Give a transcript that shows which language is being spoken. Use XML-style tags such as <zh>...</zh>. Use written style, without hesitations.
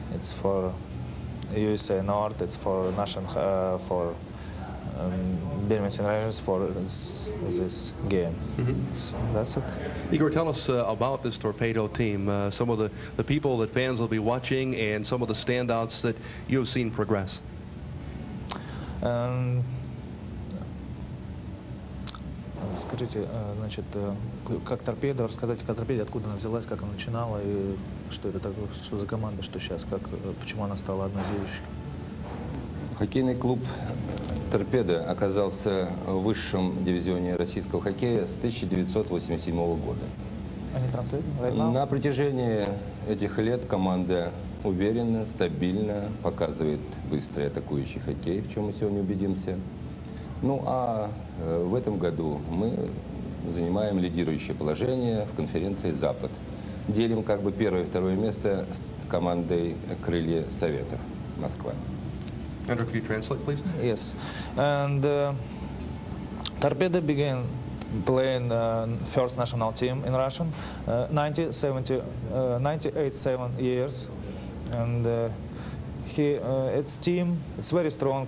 <en>It's for USA North. It's for national for Birmingham Rangers for this game. Mm-hmm. That's it. Igor, tell us about this Torpedo team, some of the people that fans will be watching and some of the standouts that you've seen progress.</en> <ru>Скажите, значит, как Торпедо, рассказать о Торпедо, откуда она взялась, как она начинала и что это такое, что за команда, что сейчас, как почему она стала одной из ведущих? Хоккейный клуб «Торпедо» оказался в высшем дивизионе российского хоккея с 1987 года. Они транслируют? На протяжении этих лет команда уверенно, стабильно показывает быстрый атакующий хоккей, в чем мы сегодня убедимся. Ну а в этом году мы занимаем лидирующее положение в конференции «Запад». Делим как бы первое и второе место с командой «Крылья Совета» Москва.</ru> <en>Andrew, can you translate, please? Yes. And Torpedo began playing first national team in Russian 1987 years. And its team, it's very strong.</en>